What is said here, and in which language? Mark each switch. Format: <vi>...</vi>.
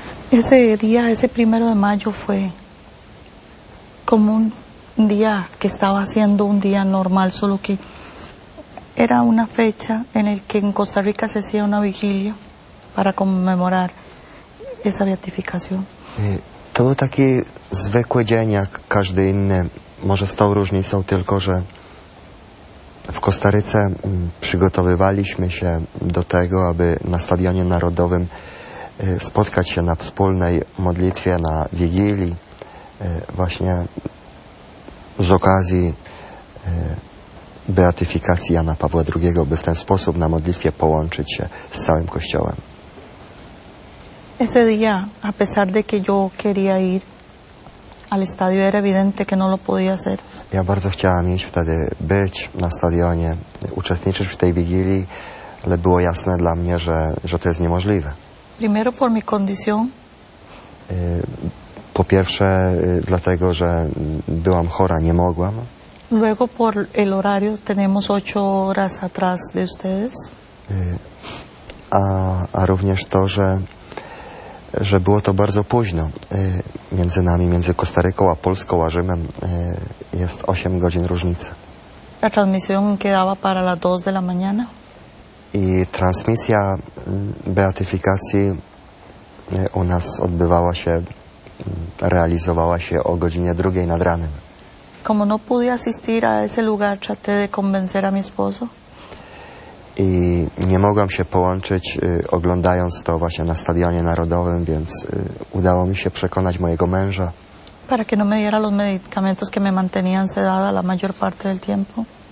<es>Ese día, ese primero de mayo, fue como un día que estaba siendo un día normal, solo que era una fecha en el que en Costa Rica se hacía una vigilia para conmemorar esa beatificación.</es> <pl>To był taki zwykły dzień, jak każdy inny, może z tą różnicą tylko, że w Kostaryce przygotowywaliśmy się do tego, aby na Stadionie Narodowym spotkać się na wspólnej modlitwie, na Wigilii, właśnie z okazji beatyfikacji Jana Pawła II, by w ten sposób na modlitwie połączyć się z całym Kościołem.</pl> <es>Ese día, a pesar de que yo quería ir, al estadio era evidente que no lo podía hacer.</es> <pl>Ja bardzo chciałam iść wtedy, być na stadionie, uczestniczyć w tej wigilii, ale było jasne dla mnie, że to jest niemożliwe.</pl> <es>Primero por mi condición.</es> <pl>Po pierwsze dlatego, że byłam chora, nie mogłam.</pl> <es>Luego por el horario, tenemos 8 horas atrás de ustedes.</es> <pl>A również to, że było to bardzo późno. Między nami, między Kostaryką a Polską, a Rzymem jest 8 godzin różnicy.</pl> <es>La transmisión quedaba para las 2 de la mañana.</es> <pl>I transmisja beatyfikacji u nas odbywała się, realizowała się o godzinie 2 nad ranem.</pl> <es>Como no pude asistir a ese lugar, traté de convencer a mi esposo.</es> <pl>I nie mogłam się połączyć, oglądając to właśnie na Stadionie Narodowym, więc udało mi się przekonać mojego męża.</pl> <es>Para que no me diera los medicamentos que me mantenían sedada la mayor parte del tiempo.</es>